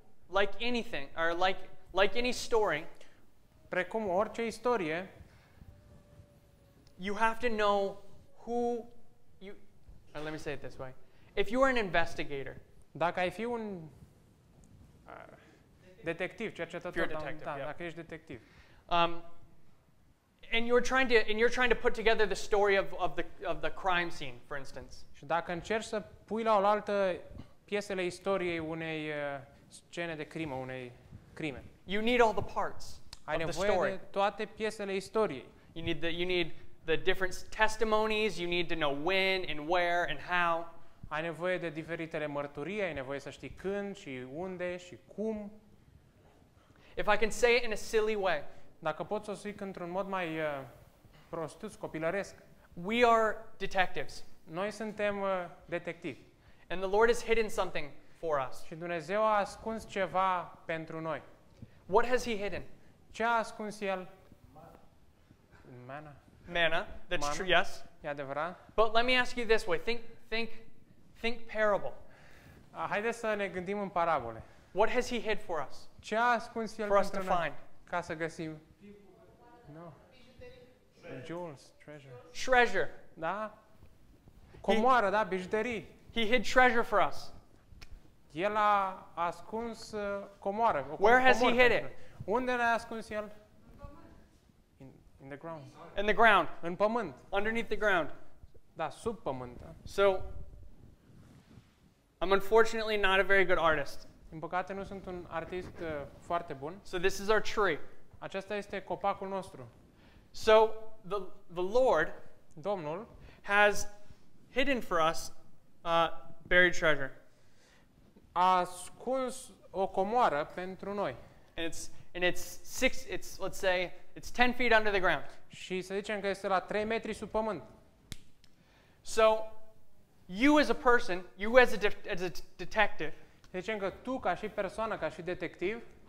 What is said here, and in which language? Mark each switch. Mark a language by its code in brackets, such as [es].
[en] Like anything, or like any story, [ro] precum orice istorie, [en] you have to know who you. Or let me say it this way: if you are an investigator, [ro] dacă ai fi un detectiv, cercetător, [en] if you're a detective, [ro] da, [en] yeah. [ro] Dacă ești detectiv, [en] and you're trying to put together the story of the crime scene, for instance. [ro] Și dacă încerci să pui la oaltă piesele istoriei unei scene de crimă, unei crime. [en] You need all the parts [ro] ai [en] of the story. [ro] Ai nevoie de toate piesele istoriei. [en] You need the different testimonies, you need to know when and where and how. [ro] Ai nevoie de diferitele mărturii, ai nevoie să știi când și unde și cum. [en] If I can say it in a silly way. [ro] Dacă pot să o zic într-un mod mai prostuț, copilăresc. [en] We are detectives. [ro] Noi suntem detectivi. [en] And the Lord has hidden something for us. [ro] Și Dumnezeu a ascuns ceva pentru noi. [en] What has he hidden? [ro] Ce a ascuns el? Mana. [en] Mana. That's [ro] Mana. [en] True, yes. [ro] E adevărat. [en] But let me ask you this way. Think parable. [ro] Haideți să ne gândim în parabole. [en] What has he hid for us? [ro] Ce a ascuns el [en] for us to find? [ro] Ca să găsim. [en] No. Jewels. Treasure. [ro] Da? Comoară, da? Bijuterii. [en] He hid treasure for us. [ro] El a ascuns comoară. [en] Where has he hid it? [ro] Unde l-a ascuns el? [en] In the ground. In the ground. [ro] În pământ. [en] Underneath the ground. [ro] Da, sub pământ. Da. [en] So, I'm unfortunately not a very good artist. [ro] Din păcate nu sunt un artist foarte bun. [en] So this is our tree. [ro] Acesta este copacul nostru. [en] So, the Lord [ro] Domnul [en] has hidden for us buried treasure. [ro] A ascuns o comoară pentru noi. [en] It's 10 feet under the ground. [ro] Și să zicem că este la 3 metri sub pământ. [en] So you as a person, you as a detective, [ro] să zicem că tu ca și persoană, ca și detectiv,